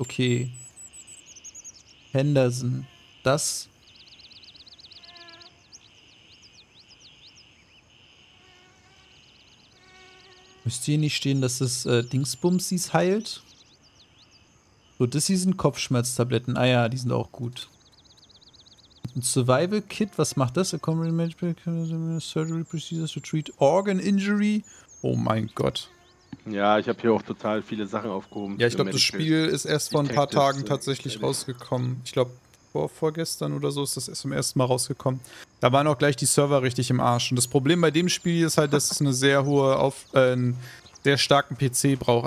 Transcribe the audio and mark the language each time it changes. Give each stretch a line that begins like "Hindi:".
German: Okay. Henderson. Das. Müsst ihr nicht stehen, dass das Dingsbumsies heilt? So, das hier sind Kopfschmerztabletten. Ah ja, die sind auch gut. Ein Survival Kit, was macht das?
English: Surgery Procedures to treat Organ Injury.
German: Oh mein Gott. Ja, ich habe hier auch total viele Sachen aufgehoben. Ja, ich glaube, das Spiel ist erst vor ein paar Tagen tatsächlich rausgekommen. Ich glaube, vorgestern oder so ist das zum ersten Mal rausgekommen. Da waren auch gleich die Server richtig im Arsch. Und das Problem bei dem Spiel ist halt, dass es eine sehr hohe, einen sehr starken PC braucht.